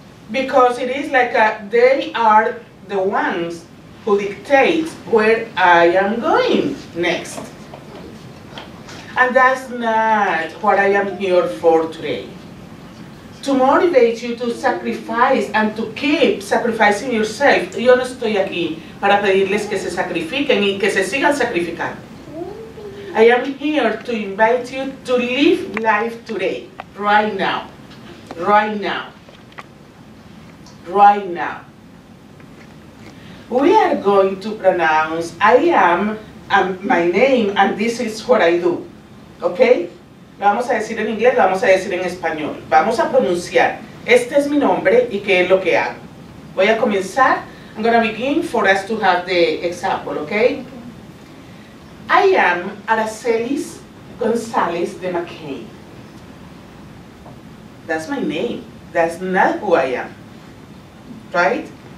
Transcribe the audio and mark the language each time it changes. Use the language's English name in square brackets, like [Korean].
[English] Because it is like they are the ones who dictate where I am going next. And that's not what I am here for today. To motivate you to sacrifice and to keep sacrificing yourself. [Spanish] Yo no estoy aquí para pedirles que se sacrifiquen y que se sigan sacrificando. [English] I am here to invite you to live life today, right now, right now, right now. We are going to pronounce, I am, and my name, and this is what I do, okay? [Spanish] Lo vamos a decir en inglés, lo vamos a decir en español. Vamos a pronunciar, este es mi nombre y qué es lo que hago. Voy a comenzar, [English] I'm gonna begin for us to have the example, okay? I am Aracelis Gonzalez de McCain. That's my name. That's not who I am. Right?